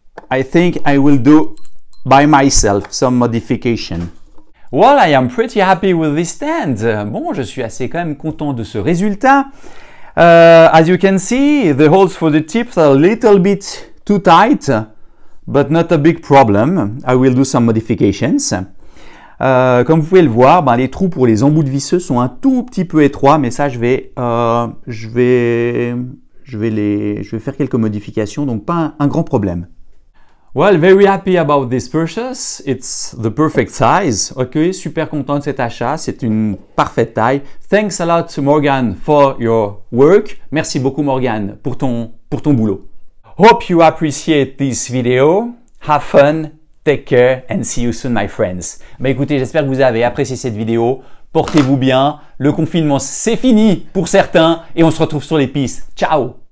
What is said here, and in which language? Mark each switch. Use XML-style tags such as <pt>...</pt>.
<en>I think I will do by myself some modification. Well, I am pretty happy with this stand.</en> <fr>Bon, je suis assez quand même content de ce résultat.</fr> <en>As you can see, the holes for the tips are a little bit too tight, but not a big problem. I will do some modifications.</en> <fr>Comme vous pouvez le voir, ben, les trous pour les embouts de visseux sont un tout petit peu étroits, mais ça, je vais faire quelques modifications, donc pas un grand problème.</fr> <en>Well, very happy about this purchase. It's the perfect size.</en> <fr>Ok, super content de cet achat. C'est une parfaite taille.</fr> <en>Thanks a lot to Morgan for your work.</en> <fr>Merci beaucoup Morgan pour ton boulot.</fr> <en>Hope you appreciate this video. Have fun, take care and see you soon my friends.</en> <fr>Bah écoutez, j'espère que vous avez apprécié cette vidéo. Portez-vous bien. Le confinement c'est fini pour certains et on se retrouve sur les pistes. Ciao.</fr>